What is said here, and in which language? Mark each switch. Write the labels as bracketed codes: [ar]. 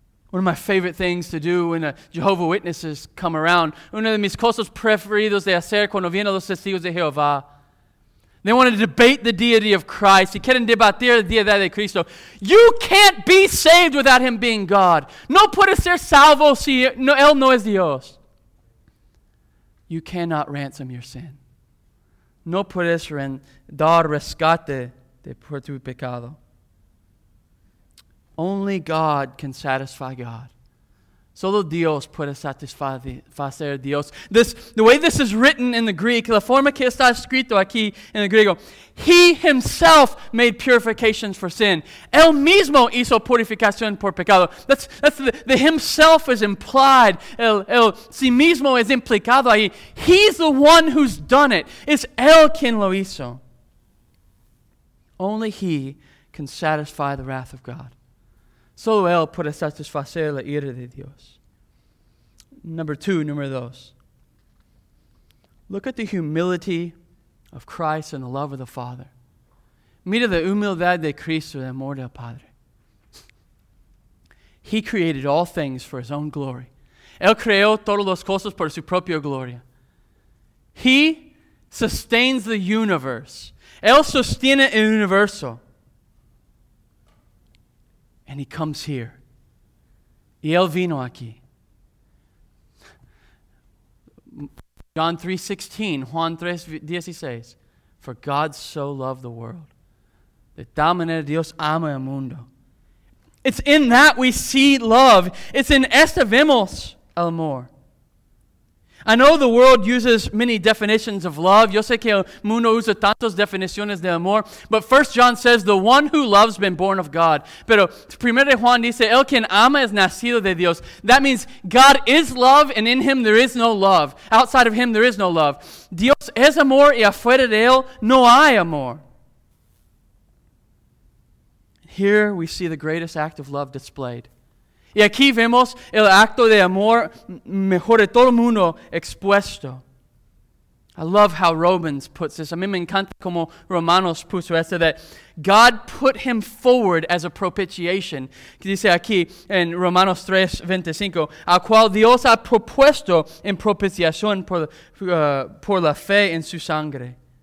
[en] One of my favorite things to do when a Jehovah Witnesses come around, [es] una de mis cosas preferidos de hacer cuando vienen los testigos de Jehová, [en] they want to debate the deity of Christ. [es] Y quieren debatir la deidad de Cristo. [en] You can't be saved without him being God. [es] No puede ser salvo si no, él no es Dios. [en] You cannot ransom your sin. [es] No puedes dar rescate de por tu pecado. [en] Only God can satisfy God. [es] Solo Dios puede satisfacer Dios. [en] The way this is written in the Greek, [es] la forma que está escrito aquí en el griego, [en] he himself made purifications for sin. [es] Él mismo hizo purificación por pecado. [en] That's the himself is implied. [es] El sí mismo es implicado ahí. [en] He's the one who's done it. [es] Es él quien lo hizo. [en] Only he can satisfy the wrath of God. [es] Solo él puede satisfacer la ira de Dios. Número dos. [en] Look at the humility of Christ and the love of the Father. [es] Mira la humildad de Cristo y el amor del Padre. [en] He created all things for his own glory. [es] Él creó todas las cosas por su propia gloria. [en] He sustains the universe. [es] Él sostiene el universo. [en] And he comes here. [es] Y él vino aquí. [en] Juan 3:16. For God so loved the world. [es] De tal manera Dios ama el mundo. [en] It's in that we see love. It's in [es] esta vemos el amor. [en] I know the world uses many definitions of love. [es] Yo sé que el mundo usa tantas definiciones de amor. [en] But 1 John says, the one who loves has been born of God. [es] Pero primero Juan dice, el quien ama es nacido de Dios. [en] That means God is love and in him there is no love. Outside of him there is no love. [es] Dios es amor y afuera de él no hay amor. [en] Here we see the greatest act of love displayed. [es] Y aquí vemos el acto de amor mejor de todo el mundo expuesto. [en] I love how Romans puts this. [es] A mí me encanta como Romanos puso esto, [en] that God put him forward as a propitiation. [es] Dice aquí en Romanos 3:25, al cual Dios ha propuesto en propiciación por la fe en su sangre.